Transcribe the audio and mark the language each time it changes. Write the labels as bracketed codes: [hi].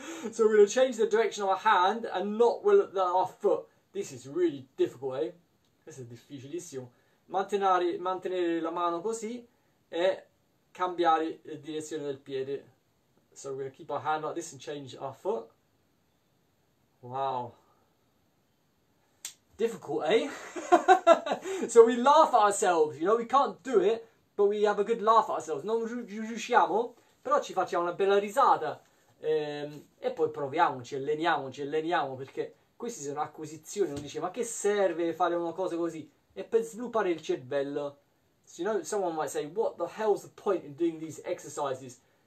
[en] So we're going to change the direction of our hand and not with our foot. This is really difficult, eh? [it] Questo è difficilissimo. Mantenere la mano così e cambiare la direzione del piede. [en] So we're going to keep our hand like this and change our foot. Wow. Difficult, eh? So we laugh at ourselves, you know? We can't do it, but we have a good laugh at ourselves. [it] Non riusciamo, però ci facciamo una bella risata. E poi proviamoci, alleniamoci, alleniamo, perché queste sono acquisizioni. Uno dice, ma che serve fare una cosa così? È per sviluppare il cervello. [en] So, you know, someone might say, what the hell's the point in doing these exercises?